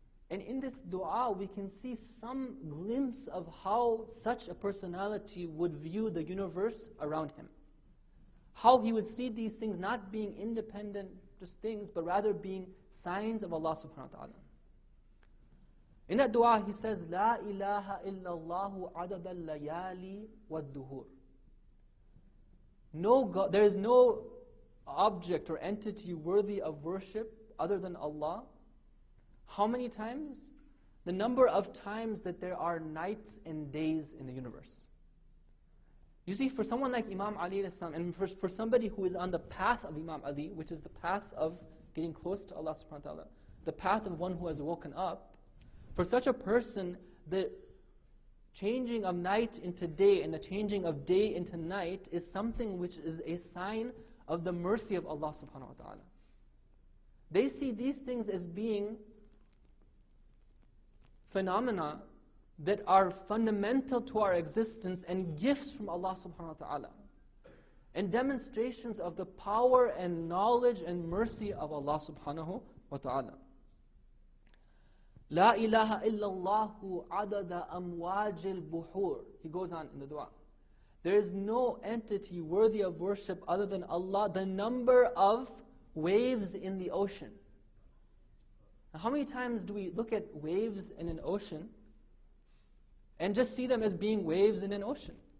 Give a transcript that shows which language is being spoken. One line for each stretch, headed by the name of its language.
English: And in this dua, we can see some glimpse of how such a personality would view the universe around him. How he would see these things not being independent just things, but rather being signs of Allah subhanahu wa ta'ala. In that dua, he says,
Arabic: لا إله إلا الله عدد الليالي والدهور.
English: No God, there is no object or entity worthy of worship other than Allah. How many times? The number of times that there are nights and days in the universe. You see, for someone like Imam Ali, and for somebody who is on the path of Imam Ali, which is the path of getting close to Allah subhanahu wa ta'ala, the path of one who has woken up, for such a person, the changing of night into day and the changing of day into night is something which is a sign of the mercy of Allah subhanahu wa ta'ala. They see these things as being phenomena that are fundamental to our existence and gifts from Allah subhanahu wa ta'ala, and demonstrations of the power and knowledge and mercy of Allah subhanahu wa ta'ala.
Arabic: لا إله إلا الله عدد أمواج البحور.
English: He goes on in the dua. There is no entity worthy of worship other than Allah, the number of waves in the ocean. Now, how many times do we look at waves in an ocean and just see them as being waves in an ocean?